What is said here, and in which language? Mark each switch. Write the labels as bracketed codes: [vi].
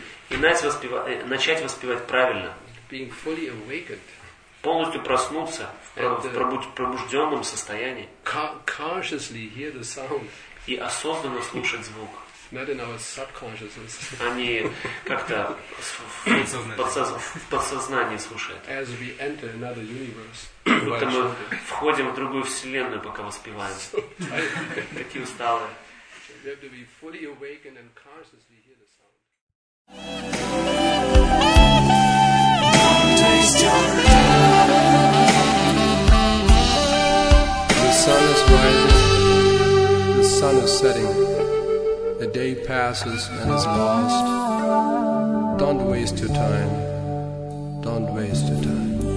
[ru] И начать воспевать правильно. [en] Being fully awakened. [ru] Полностью проснуться в пробужденном состоянии. [en] Consciously hear the sound. [ru] И осознанно слушать звук. [en] Not in our subconsciousness. [ru] А не как-то в подсознании слушает. [en] As we enter another universe. [ru] Будто мы входим в другую вселенную, пока воспеваем. Такие усталые. [en] We have to be fully awakened and consciously hear the sound. The sun is rising, the sun is setting, the day passes and is lost. Don't waste your time, don't waste your time.